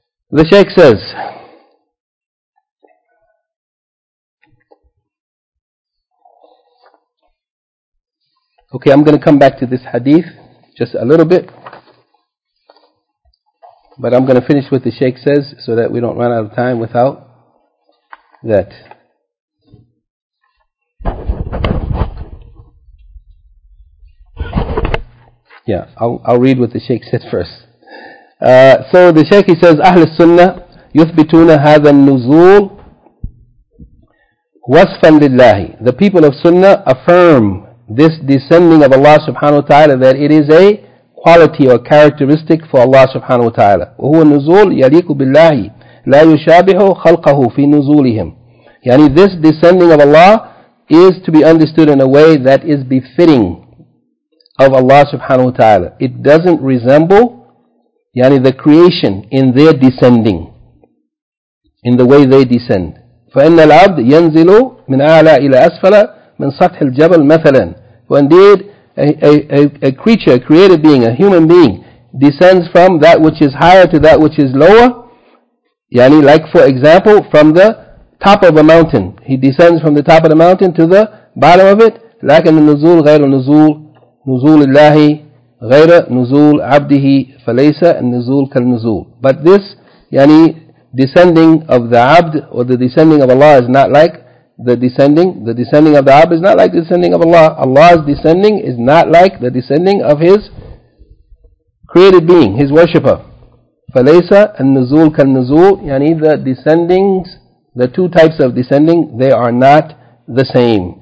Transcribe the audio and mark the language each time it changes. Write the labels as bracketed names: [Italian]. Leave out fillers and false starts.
[English] The Shaykh says, okay, I'm going to come back to this hadith just a little bit, but I'm going to finish what the Shaykh says so that we don't run out of time without that. Yeah, I'll read what the Shaykh said first. So the Shaykh, he says, [Arabic] أهل السنة يثبتون هذا النزول وصفا لله. [English] The people of Sunnah affirm this descending of Allah subhanahu wa ta'ala, that it is a quality or characteristic for Allah subhanahu wa ta'ala. [Arabic] وهو النزول يليق بالله لا يشابه خلقه في نزولهم. [English] Yani this descending of Allah is to be understood in a way that is befitting of Allah subhanahu wa ta'ala. It doesn't resemble, yani, the creation in their descending, in the way they descend. [Arabic] فَإِنَّ الْعَبْدِ يَنْزِلُ مِنْ أَعْلَى إِلَى أَسْفَلَ مِنْ سَطْحِ الْجَبَلِ مَثَلًا. [English] For indeed, a creature, a created being, a human being, descends from that which is higher to that which is lower, yani, like for example, from the top of a mountain. He descends from the top of the mountain to the bottom of it. [Arabic] لَكَنَ النُّزُولُ غَيْرُ النُّزُولُ نزول الله غير نزول عبده فليس النزول كالنزول. [English] But this, yani, descending of the abd, or the descending of Allah, is not like the descending. The descending of the abd is not like the descending of Allah. Allah's descending is not like the descending of His created being, His worshipper. [Arabic] فليس النزول كالنزول, [English] yani, the descendings, the two types of descending, they are not the same.